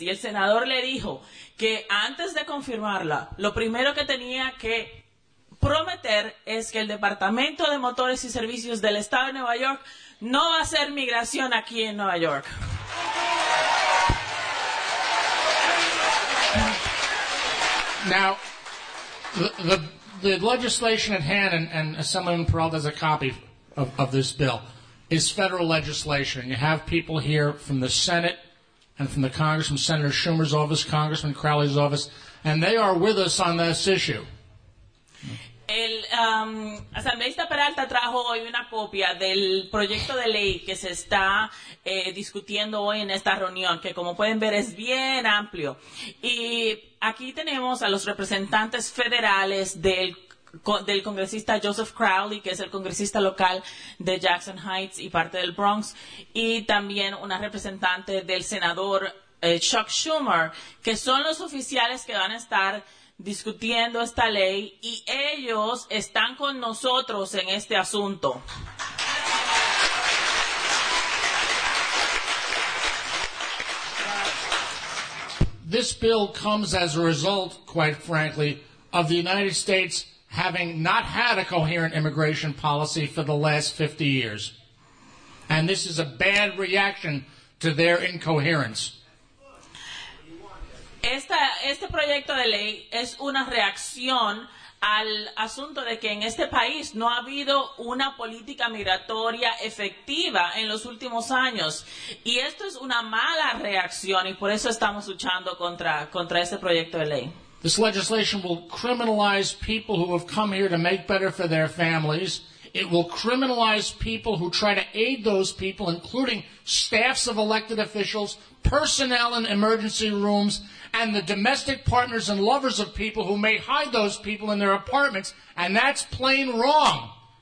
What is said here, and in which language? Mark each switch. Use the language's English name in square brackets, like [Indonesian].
[Spanish] Y el senador le dijo que antes de confirmarla, lo primero que tenía que prometer es que el Departamento de Motores y Servicios del estado de Nueva York no va a hacer migración aquí en Nueva York. [English] Now, the legislation at hand, and Assemblyman Peralta has a copy of this bill, is federal legislation. You have people here from the Senate and from the Congress, from Senator Schumer's office, Congressman Crowley's office, and they are with us on this issue. [Spanish] El asambleísta Peralta trajo hoy una copia del proyecto de ley que se está discutiendo hoy en esta reunión, que como pueden ver es bien amplio. Y aquí tenemos a los representantes federales del congresista Joseph Crowley, que es el congresista local de Jackson Heights y parte del Bronx, y también una representante del senador Chuck Schumer, que son los oficiales que van a estar discutiendo esta ley y ellos están con nosotros en este asunto. [English] This bill comes as a result, quite frankly, of the United States having not had a coherent immigration policy for the last 50 years. And this is a bad reaction to their incoherence. [Spanish] Este proyecto de ley es una reacción al asunto de que en este país no ha habido una política migratoria efectiva en los últimos años. Y esto es una mala reacción y por eso estamos luchando contra este proyecto de ley. [English] This legislation will criminalize people who have come here to make better for their families. It will criminalize people who try to aid those people, including staffs of elected officials, personnel in emergency rooms, and the domestic partners and lovers of people who may hide those people in their apartments, and that's plain wrong.